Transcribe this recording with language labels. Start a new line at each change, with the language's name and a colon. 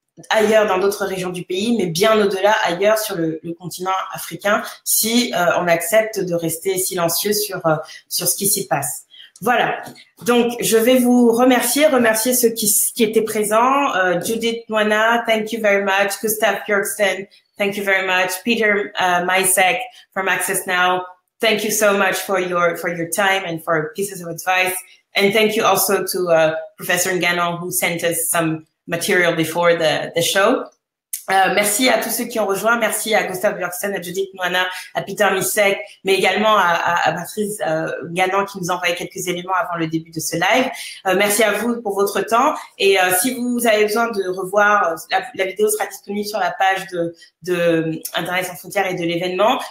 French: ailleurs dans d'autres régions du pays, mais bien au-delà, ailleurs sur le continent africain, si on accepte de rester silencieux sur ce qui s'y passe. Voilà. Donc, je vais vous remercier ceux qui étaient présents.
English: Judith Moana, thank you very much. Gustav Bjergsten, thank you very much. Peter Mysek from Access Now, thank you so much for your time and for pieces of advice. And thank you also to Professor Nganon, who sent us some material before the show.
French: Merci à tous ceux qui ont rejoint. Merci à Gustav Bjergsten, à Judith Moana, à Peter Mysek, mais également à Patrice Gannon qui nous a envoyé quelques éléments avant le début de ce live. Merci à vous pour votre temps. Et si vous avez besoin de revoir, la vidéo sera disponible sur la page de Internet Sans Frontières et de l'événement.